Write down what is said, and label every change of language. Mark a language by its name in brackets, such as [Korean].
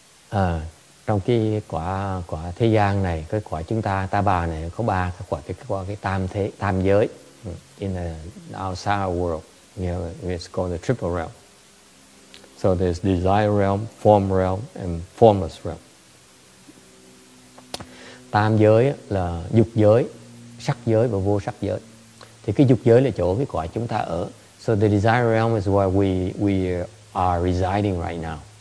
[Vietnamese] 124. Trong cái quả thế gian này, cái quả chúng ta, ta bà này có ba cái quả, cái tam thế, tam giới. [English] In the outside world, you know, it's called the triple realm. So there's desire realm, form realm, and formless realm. [Vietnamese] Tam giới là dục giới, sắc giới và vô sắc giới. Thì cái dục giới là chỗ cái quả chúng ta ở. [English] So the desire realm is where we are residing right now.